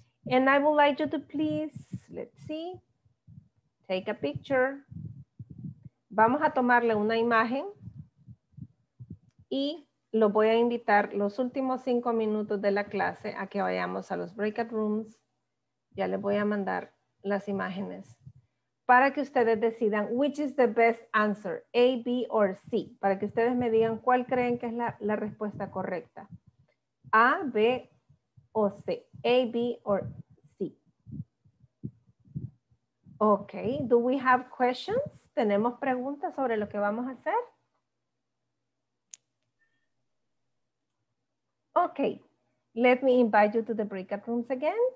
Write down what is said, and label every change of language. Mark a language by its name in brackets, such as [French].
[English] And I would like you to please, let's see, take a picture. [Spanish] Vamos a tomarle una imagen. Y lo voy a invitar los últimos 5 minutos de la clase a que vayamos a los breakout rooms. Ya les voy a mandar las imágenes para que ustedes decidan [English] which is the best answer, A, B or C. [Spanish] Para que ustedes me digan cuál creen que es la respuesta correcta. A, B o C. A, B or C. [English] Ok, do we have questions? [Spanish] ¿Tenemos preguntas sobre lo que vamos a hacer? [English] Okay, let me invite you to the breakout rooms again.